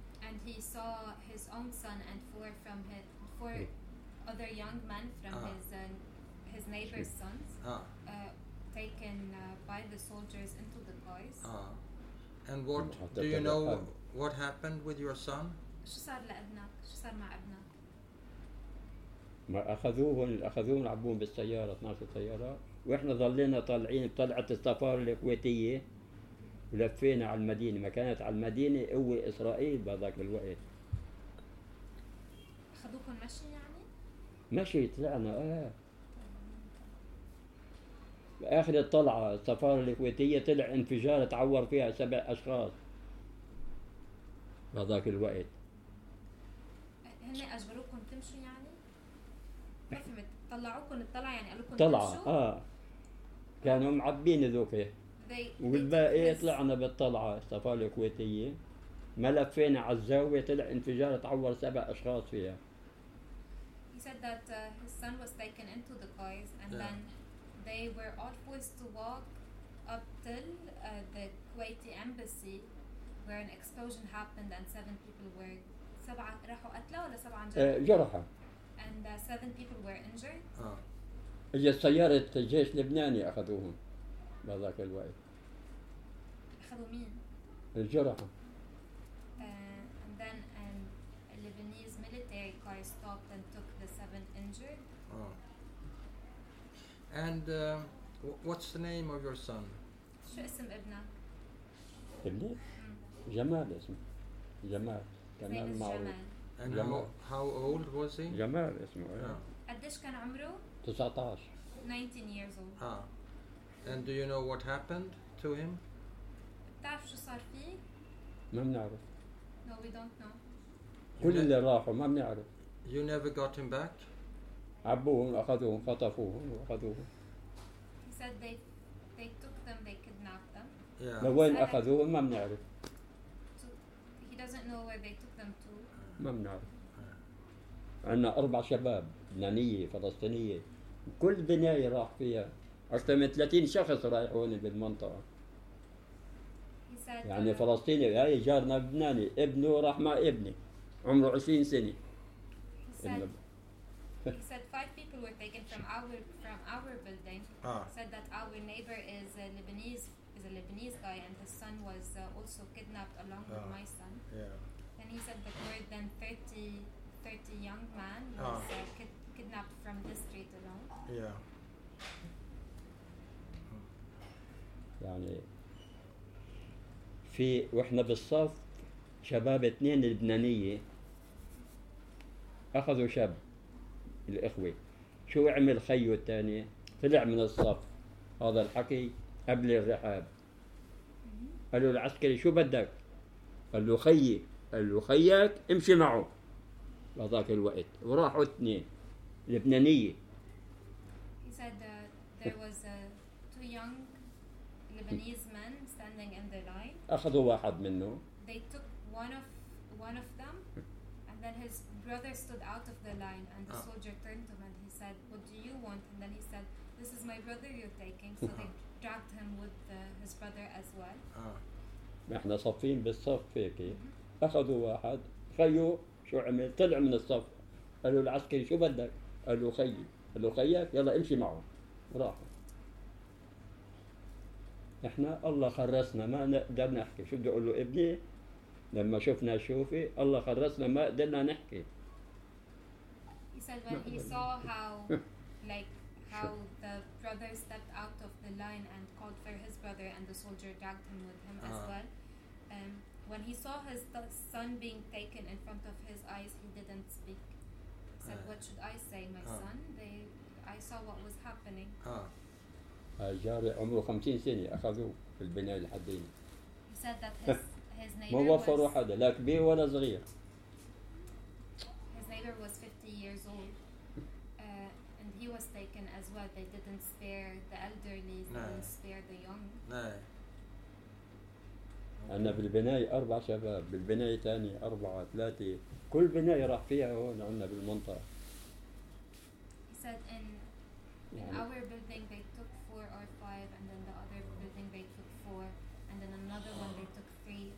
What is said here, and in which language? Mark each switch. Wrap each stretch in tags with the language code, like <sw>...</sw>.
<en>And he saw his own son and four other young men from his neighbor's sons taken by the soldiers into the cars. And what do you know what happened with your son?</en> <ar>شو صار لابنك؟ شو صار مع ابنك؟ ما أخذوهم عبوهم بالسيارة 12 سيارة وإحنا ظلينا طالعين بطلعة السفارة الكويتية. لفينا على المدينة ما كانت على المدينة قوة إسرائيل بهذاك الوقت أخذوكم مشي يعني؟ مشي طلعنا آخر الطلعة السفارة الكويتية طلع انفجار تعور فيها 7 أشخاص بهذاك الوقت هني أجبروكم تمشوا يعني؟ ما فهمت طلعوكم الطلعة يعني قالوكم طلعة. تمشوا؟ كانوا معبين ذوكة والباقي طلعنا بالطلعة السفارة الكويتية ملفينا على الزاوية طلع انفجار تعور 7 أشخاص فيها</ar> <en>He said that his son was taken into the cars and then they were all forced to walk up till the Kuwaiti embassy where an explosion happened and 7 people were</en> <ar>7 راحوا قتلوا ولا 7 جرحى</ar> <en>and 7 people were injured</en> <ar>هي سيارة الجيش اللبناني أخذوهم بهذاك الوقت اخذوا مين؟ الجرحى</ar> <en>and then a Lebanese military car stopped and took the 7 injured and what's the name of your son?</en> <ar>شو اسم ابنك؟ ابني؟ جمال اسمه جمال كمان معروف</ar> <en>and how old was he?</en> <ar>جمال اسمه قديش كان عمره؟ 19</ar> <en>19 years old And do you know what happened to him?</en> <ar>بتعرف شو صار فيه؟ ما بنعرف.</ar> <en>No, we don't know.</en> <ar>كل اللي راحوا ما بنعرف.</ar> <en>You never got him back?</en> <ar>عبوهم أخذوهم خطفوهم وأخذوهم.</ar> <en>He said they took them, they kidnapped them. Yeah.</en> <ar>لوين أخذوهم ما بنعرف.</ar> <en>He doesn't know where they took them to.</en> <ar>ما بنعرف. عندنا أربع شباب لبنانية فلسطينية كل بناية راح فيها أكثر من 30 شخص رايح هون بالمنطقة. يعني فلسطيني هاي جارنا لبناني ابنه راح مع ابني عمره 20 سنة.</ar> <en>He said five people were taken from our building. Said that our neighbor is a Lebanese guy, and his son was also kidnapped along with my son. Yeah. And he said that more than 30 young men was kidnapped from this street alone. Yeah.</en> <ar>يعني في واحنا بالصف شباب اثنين لبنانية اخذوا شاب الإخوة شو عمل خيو الثاني طلع من الصف هذا الحكي قبل الرحاب قال له العسكري شو بدك قال له خيي قال له خيك امشي معه بهذاك الوقت وراحوا اثنين لبنانية</ar> <en>he said there was two young Lebanese men standing in the line</en> <ar>اخذوا واحد منه</ar> <en>they took one of them and then his brother stood out of the line and the soldier turned to him and he said what do you want and then he said this is my brother you're taking so they dragged him with his brother as well</en> <ar>احنا صفين بالصف هيك اخذوا واحد خيو شو عمل طلع من الصف قالوا العسكري شو بدك قالوا خيي قالوا خيك يلا امشي معه وراحوا احنا الله خرسنا ما نقدر نحكي شو بدي اقول له ابني لما شفنا شوفي الله خرسنا ما قدرنا نحكي.</ar> <en>He said when he saw how the brother stepped out of the line and called for his brother and the soldier dragged him with him as well. When he saw his son being taken in front of his eyes, he didn't speak. He said, what should I say, my son? I saw what was happening.</en> <ar>جاري عمره 50 سنة أخذوه في البناية الحديثة.</ar> <en>He said that his</en> <ar>ما وفروا حدا لا كبير ولا صغير.</ar> <en>His neighbor was 50 years old and he was taken as well. They didn't spare the elderly, they didn't spare the young.</en> <ar>أنا بالبناية أربع شباب بالبناية ثانية أربعة ثلاثة كل بناية راح فيها هون عندنا بالمنطقة.</ar> <en>He said in our building they took 4 or 5 and then the other building they took 4 and then another one they took 3.</en>